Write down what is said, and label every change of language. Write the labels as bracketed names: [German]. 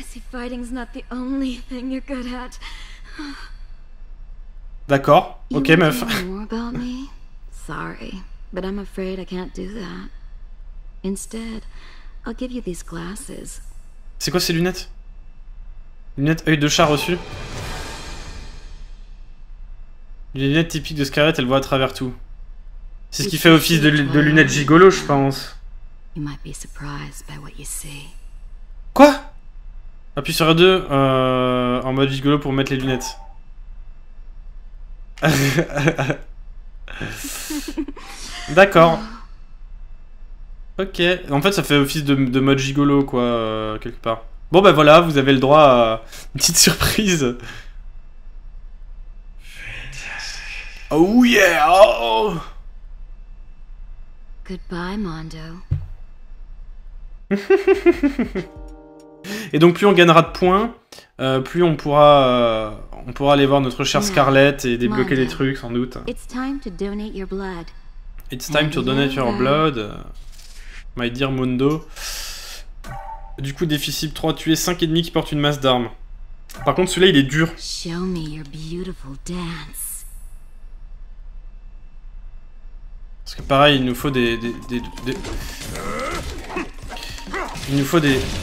[English] Fighting's not the only thing you're good at. [French] D'accord. OK, [English] you [French] meuf. [English] More about me? Sorry, but I'm afraid I can't do that. Instead, I'll give you these glasses. [French] C'est quoi ces lunettes? Lunettes œil de chat reçues. Lunettes typiques de Scarlett, elle voit à travers tout. C'est ce qui fait office de lunettes gigolo, je pense. [English] You might be surprised by what you see. [French] Quoi? Appuie sur R2 en mode gigolo pour mettre les lunettes. D'accord. Ok. En fait, ça fait office de mode gigolo, quoi, quelque part. Bon, ben voilà, vous avez le droit à une petite surprise. [English] Oh yeah! Oh. Goodbye, Mondo. [French] Et donc plus on gagnera de points, Plus on pourra aller voir notre chère Scarlett et débloquer des trucs, sans doute. [English] It's time to donate your blood. It's time to donate your blood, my dear Mundo. [French] Du coup, défi cible 3, tuer 5 ennemis qui portent une masse d'armes. Par contre, celui-là, il est dur. [English] Show me your beautiful dance. [French] Parce que pareil, il nous faut des... Il nous faut des...